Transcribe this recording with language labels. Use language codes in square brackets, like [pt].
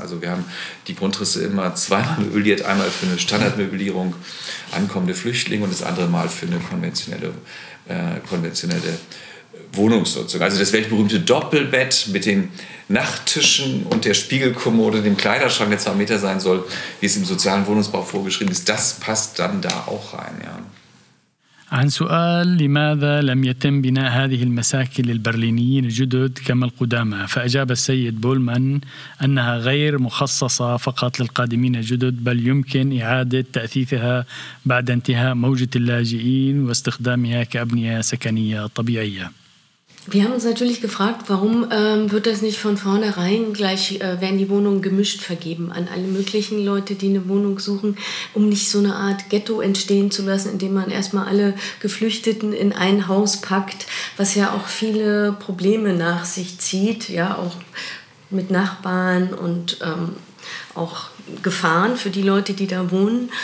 [de] Also wir haben die Grundrisse immer zweimal möbliert, einmal für eine Standardmöblierung ankommende Flüchtlinge und das andere Mal für eine konventionelle Wohnungsnutzung. Also das weltberühmte Doppelbett mit den Nachttischen und der Spiegelkommode, dem Kleiderschrank, der 2 Meter sein soll, wie es im sozialen Wohnungsbau vorgeschrieben ist, das passt dann da auch rein, ja. [ar] عن سؤال لماذا لم يتم بناء هذه المساكن للبرلينيين الجدد كما القدامى فأجاب السيد بولمان أنها غير مخصصة فقط للقادمين الجدد بل يمكن إعادة تأثيثها بعد انتهاء موجة اللاجئين واستخدامها كأبنية سكنية طبيعية. [de] Wir haben uns natürlich gefragt, warum wird das nicht von vornherein gleich, werden die Wohnungen gemischt vergeben an alle möglichen Leute, die eine Wohnung suchen, um nicht so eine Art Ghetto entstehen zu lassen, indem man erstmal alle Geflüchteten in ein Haus packt, was ja auch viele Probleme nach sich zieht, ja, auch mit Nachbarn und auch Gefahren für die Leute, die da wohnen.